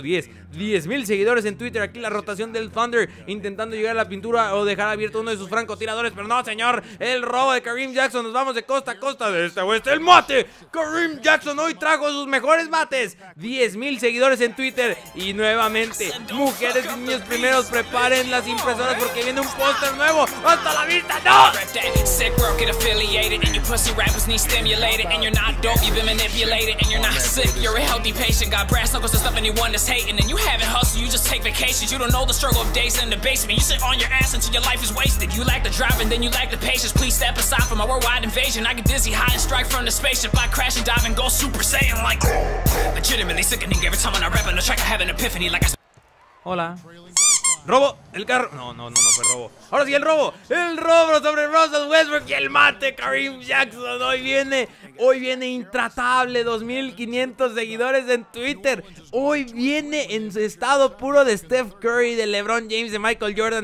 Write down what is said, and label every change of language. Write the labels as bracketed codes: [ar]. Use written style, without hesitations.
[es] 10 mil seguidores en Twitter. Aquí la rotación del Thunder intentando llegar a la pintura o dejar abierto uno de sus francotiradores. Pero no, señor, el robo de Kareem Jackson. Nos vamos de costa a costa, de este a oeste. ¡El mate! Kareem Jackson hoy trajo sus mejores mates. 10 mil seguidores en Twitter. Y nuevamente, mujeres y niños primeros, preparen las impresoras porque viene un póster nuevo. ¡Hasta la vista! ¡No! [en] Sick bro, get affiliated. And your pussy rappers need stimulated. And you're not dope, you've been manipulated. And you're not sick, you're a healthy patient. Got brass knuckles and stuff anyone that's hating. And you haven't hustled, you just take vacations. You don't know the struggle of days in the basement. You sit on your ass until your life is wasted. You lack the drive and then you lack the patience. Please step aside from my worldwide invasion. I get dizzy high and strike from the spaceship. I crash and dive and go super saiyan like... Legitimately sickening every time when I rap on the track, I have an epiphany like I... [es] Hola. Robo, el carro. No fue robo. Ahora sí, el robo sobre Russell Westbrook y el mate. Kareem Jackson hoy viene intratable. 2500 seguidores en Twitter. Hoy viene en su estado puro de Steph Curry, de LeBron James, de Michael Jordan.